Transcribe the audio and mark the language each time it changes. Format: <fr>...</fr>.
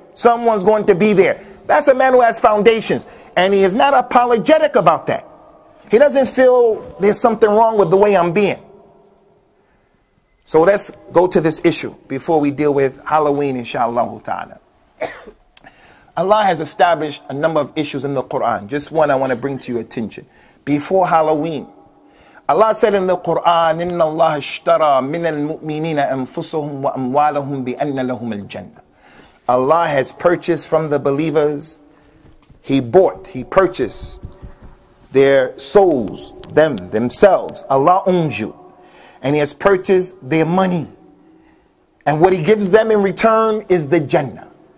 <en>Someone's going to be there. That's a man who has foundations. And he is not apologetic about that. He doesn't feel there's something wrong with the way I'm being. So let's go to this issue before we deal with Halloween, inshallah ta'ala. Allah has established a number of issues in the Quran. Just one I want to bring to your attention. Before Halloween, Allah said in the Quran,</en> <ar>إِنَّ اللَّهَ اشْتَرَى مِنَ الْمُؤْمِنِينَ أَنفُسُهُمْ وَأَمْوَالَهُمْ بِأَنَّ لَهُمُ الْجَنَّةِ.</ar> <en>Allah has purchased from the believers, he purchased their souls, themselves. Allah owns you. And he has purchased their money. And what he gives them in return is the Jannah.</en>